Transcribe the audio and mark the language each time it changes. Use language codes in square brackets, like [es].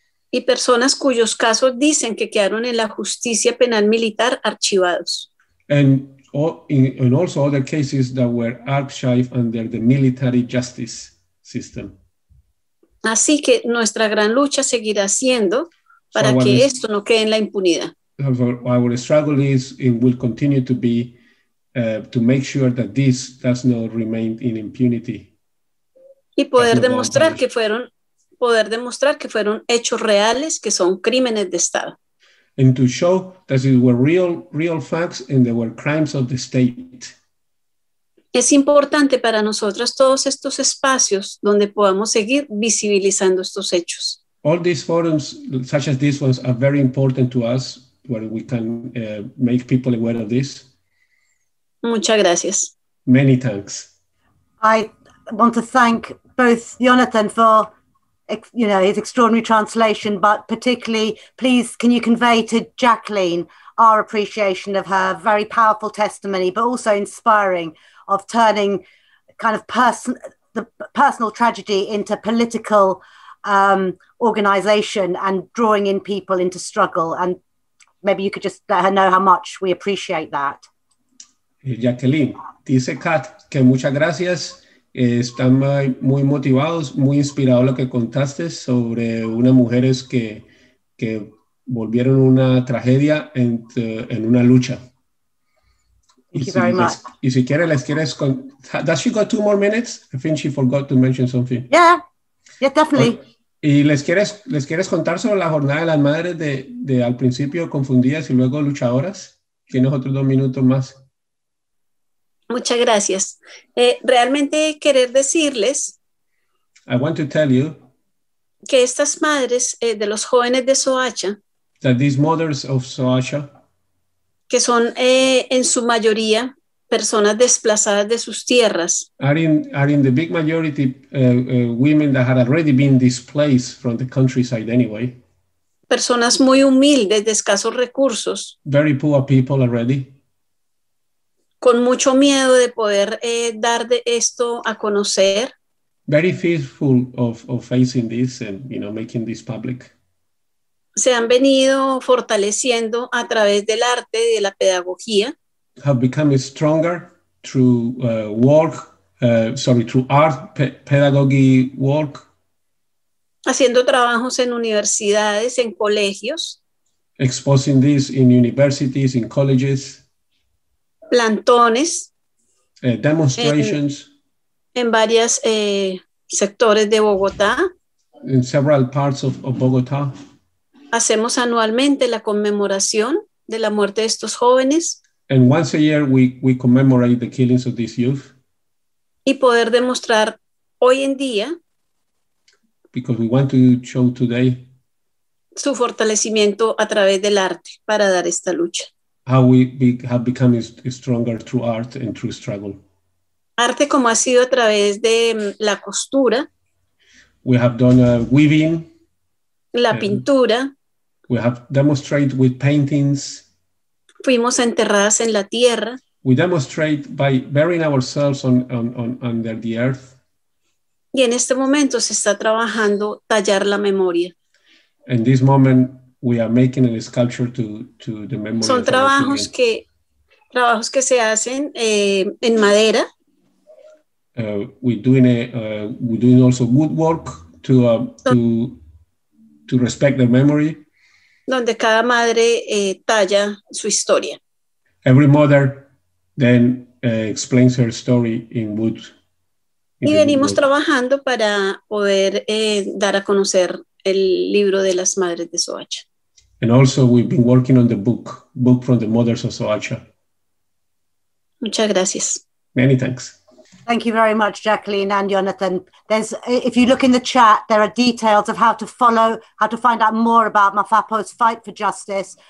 [es] Y personas cuyos casos dicen que quedaron en la justicia penal militar archivados. [en] And also other cases that were archived under the military justice system. [es] Así que nuestra gran lucha seguirá siendo para que esto no quede en la impunidad. [en] Our struggle is and will continue to be to make sure that this does not remain in impunity. [es] Y poder demostrar que fueron hechos reales, que son crímenes de Estado. [en] And to show that these were real facts and they were crimes of the state. [es] Es importante para nosotras todos estos espacios donde podamos seguir visibilizando estos hechos. [en] All these forums, such as these ones, are very important to us, where we can make people aware of this. [es] Muchas gracias. [en] Many thanks. I want to thank both Jonathan for, you know, his extraordinary translation, but particularly, please, can you convey to Jaqueline our appreciation of her very powerful testimony, but also inspiring, of turning kind of the personal tragedy into political organization and drawing in people into struggle. And maybe you could just let her know how much we appreciate that. [es] Jaqueline, dice Kat, que muchas gracias. Están muy motivados, muy inspirados lo que contaste sobre unas mujeres que volvieron una tragedia en una lucha. [en] Thank you very much. Y si quiere, les quieres con... Does she got two more minutes? I think she forgot to mention something. Yeah, definitely. [es] Y les quieres contar sobre la jornada de las madres de al principio confundidas y luego luchadoras. Tienes otros dos minutos más. Muchas gracias. Realmente querer decirles. [en] I want to tell you. [es] Que estas madres de los jóvenes de Soacha. [en] That these mothers of Soacha. [es] Que son en su mayoría personas desplazadas de sus tierras. [en] Are in the big majority women that had already been displaced from the countryside anyway. [es] Personas muy humildes, de escasos recursos. [en] Very poor people already. [es] Con mucho miedo de poder dar de esto a conocer. [en] Very fearful of facing this and, you know, making this public. [es] Se han venido fortaleciendo a través del arte, de la pedagogía. [en] Have become stronger through pedagogy work. [es] Haciendo trabajos en universidades, en colegios. [en] Exposing this in universities, in colleges. [es] Plantones. [en] Demonstrations. [es] En varios sectores de Bogotá. [en] In several parts of Bogotá. [es] Hacemos anualmente la conmemoración de la muerte de estos jóvenes. [en] And once a year we commemorate the killings of these youth. [es] Y poder demostrar hoy en día. [en] Because we want to show today. [es] Su fortalecimiento a través del arte para dar esta lucha. [en] How we have become stronger through art and through struggle. [es] Arte como ha sido a través de la costura. [en] We have done weaving. [es] La pintura. [en] We have demonstrated with paintings. [es] Fuimos enterradas en la tierra. [en] We demonstrate by burying ourselves on under the earth. [es] Y en este momento se está trabajando tallar la memoria. [en] In this moment we are making a sculpture to the memory. [es] Son trabajos que se hacen en madera. [en] We're doing also woodwork to respect their memory. [es] Donde cada madre talla su historia. [en] Every mother then explains her story in wood. [es] Y venimos trabajando para poder dar a conocer el libro de las madres de Soacha. [en] And also we've been working on the book from the mothers of Soacha. [es] Muchas gracias. [en] Many thanks. Thank you very much, Jaqueline and Jonathan. If you look in the chat, there are details of how to find out more about Mafapo's fight for justice.